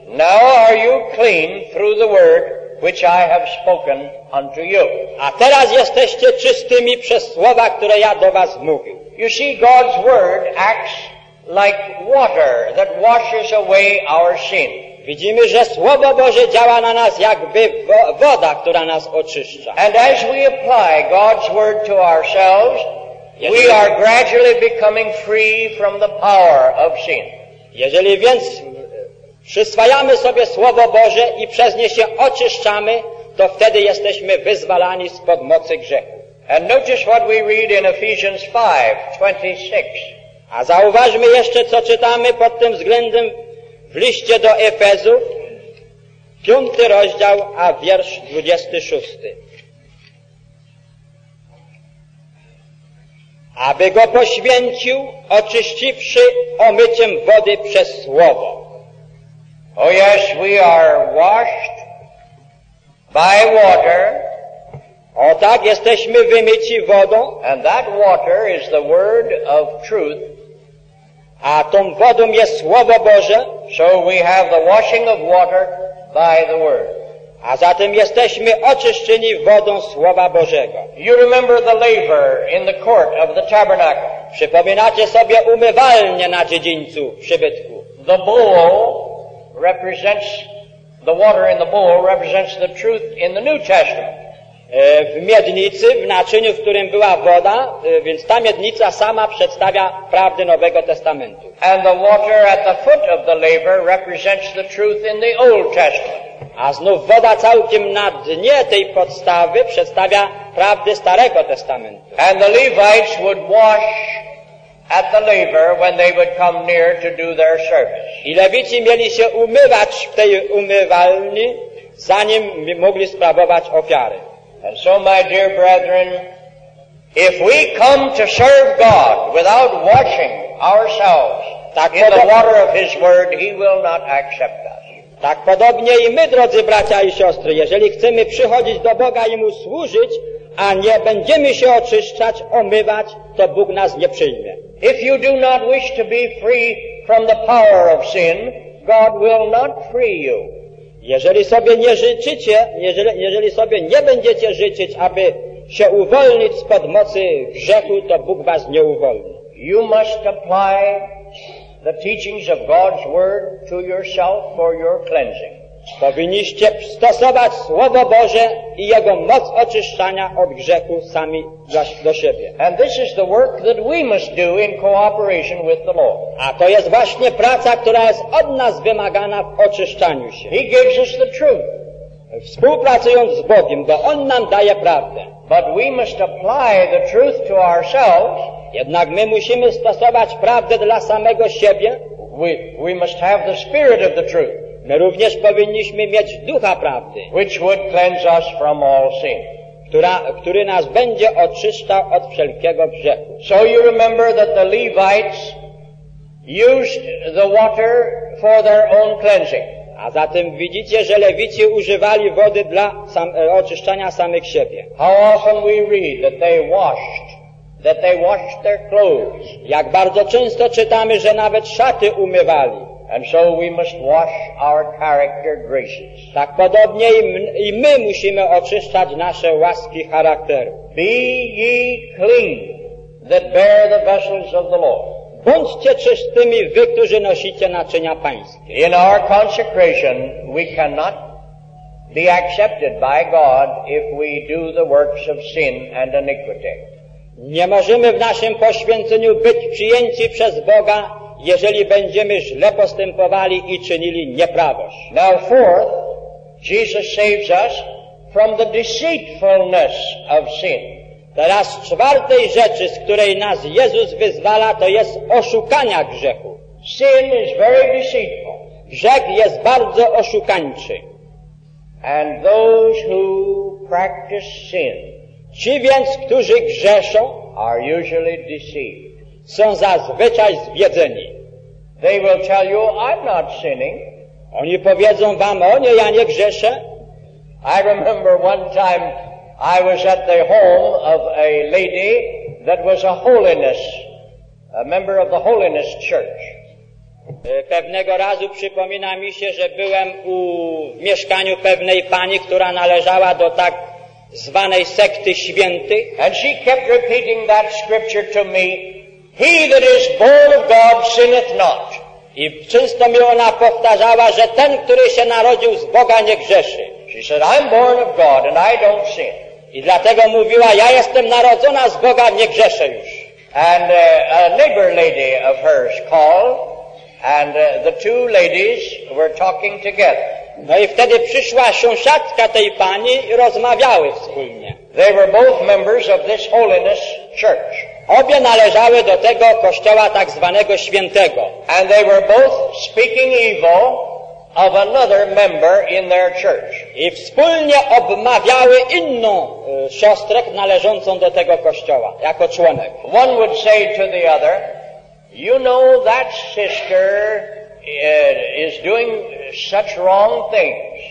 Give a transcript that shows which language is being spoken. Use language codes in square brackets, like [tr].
[en] Now are you clean through the word which I have spoken unto you. [pl] A teraz jesteście czystymi przez słowa, które ja do was mówił. [en] You see, God's word acts like water that washes away our sin. [pl] Widzimy, że Słowo Boże działa na nas jakby woda, która nas oczyszcza. [en] And as we apply God's word to ourselves, we are gradually becoming free from the power of sin. [pl] Jeżeli więc przyswajamy sobie Słowo Boże i przez nie się oczyszczamy, to wtedy jesteśmy wyzwalani spod mocy grzechu. [en] And notice what we read in Ephesians 5:26. [pl] A zauważmy jeszcze, co czytamy pod tym względem w liście do Efezu, 5 rozdział, a wiersz 26. Aby go poświęcił, oczyściwszy omyciem wody przez słowo. [en] Oh yes, we are washed by water. [pl] O tak, jesteśmy wymyci wodą. [en] And that water is the word of truth. [pl] A tą wodą jest Słowo Boże. [en] So we have the washing of water by the word. [pl] A zatem jesteśmy oczyszczeni wodą Słowa Bożego. [en] You remember the laver in the court of the tabernacle. [pl] Przypominacie sobie umywalnię na dziedzińcu przybytku. [en] The bowl represents, the water in the bowl represents the truth in the New Testament. [pl] W miednicy, w naczyniu, w którym była woda, więc ta miednica sama przedstawia prawdę Nowego Testamentu. [en] And the water at the foot of the laver represents the truth in the Old Testament. [pl] A znów woda całkiem na dnie tej podstawy przedstawia prawdy Starego Testamentu. [en] And the Levites would wash at the laver when they would come near to do their service. [pl] I Lewici mieli się umywać w tej umywalni, zanim mogli sprawować ofiary. [en] And so, my dear brethren, if we come to serve God without washing ourselves in the water of His Word, He will not accept us. [pl] Tak podobnie i my, drodzy bracia i siostry, jeżeli chcemy przychodzić do Boga i Mu służyć, a nie będziemy się oczyszczać, omywać, to Bóg nas nie przyjmie. [en] If you do not wish to be free from the power of sin, God will not free you. [pl] Jeżeli sobie nie życzycie, jeżeli sobie nie będziecie życzyć, aby się uwolnić spod mocy grzechu, to Bóg was nie uwolni. [en] You must apply the teachings of God's word to yourself for your cleansing. [pl] Powinniście stosować Słowo Boże i Jego moc oczyszczania od grzechu sami do siebie. [en] And this is the work that we must do in cooperation with the Lord. [pl] A to jest właśnie praca, która jest od nas wymagana w oczyszczaniu się. [en] He gives us the truth. [pl] Współpracując z Bogiem, bo On nam daje prawdę. [en] But we must apply the truth to ourselves. [pl] Jednak my musimy stosować prawdę dla samego siebie. [en] We must have the spirit of the truth. [pl] My również powinniśmy mieć ducha prawdy, [en] which would cleanse us from all sin. [pl] Który nas będzie oczyszczał od wszelkiego grzechu. [en] So you remember that the Levites used the water for their own cleansing. [pl] A zatem widzicie, że Lewici używali wody dla oczyszczania samych siebie. [en] How often we read that they washed. That they washed their clothes. [pl] Jak bardzo często czytamy, że nawet szaty umywali. [en] And so we must wash our character graces. [pl] Tak podobnie i my musimy oczyszczać nasze łaski charakteru. [en] Be ye clean that bear the vessels of the Lord. [pl] Bądźcie czystymi wy, którzy nosicie naczynia pańskie. [en] In our consecration we cannot be accepted by God if we do the works of sin and iniquity. [pl] Nie możemy w naszym poświęceniu być przyjęci przez Boga, jeżeli będziemy źle postępowali i czynili nieprawość. [en] Now fourth, Jesus saves us from the deceitfulness of sin. [pl] Teraz czwartej rzeczy, z której nas Jezus wyzwala, to jest oszukania grzechu. [en] Sin is very deceitful. [pl] Grzech jest bardzo oszukańczy. [en] And those who practice sin, [pl] ci więc, którzy grzeszą, [en] are usually deceived. [pl] Są zazwyczaj zwiedzeni. [en] They will tell you, I'm not sinning. [pl] Oni powiedzą wam, o nie, ja nie grzeszę. [en] I remember one time I was at the home of a lady that was a holiness, a member of the holiness church. [pl] Pewnego razu przypomina mi się, że byłem w mieszkaniu pewnej pani, która należała do tak zwanej sekty świętych. [en] And she kept repeating that scripture to me, He that is born of God sinneth not. [pl] I często mi ona powtarzała, że ten, który się narodził z Boga, nie grzeszy. [en] She said, I'm born of God and I don't sin. [pl] I dlatego mówiła, ja jestem narodzona z Boga, nie grzeszę już. [en] And a neighbor lady of hers called, and the two ladies were talking together. [pl] No i wtedy przyszła sąsiadka tej pani i rozmawiały wspólnie. [en] They were both members of this holiness church. [pl] Obie należały do tego kościoła tak zwanego świętego. [en] And they were both speaking evil of another member in their church. [pl] I wspólnie obmawiały inną siostrę należącą do tego kościoła jako członek. [en] One would say to the other, you know that sister is doing such wrong things.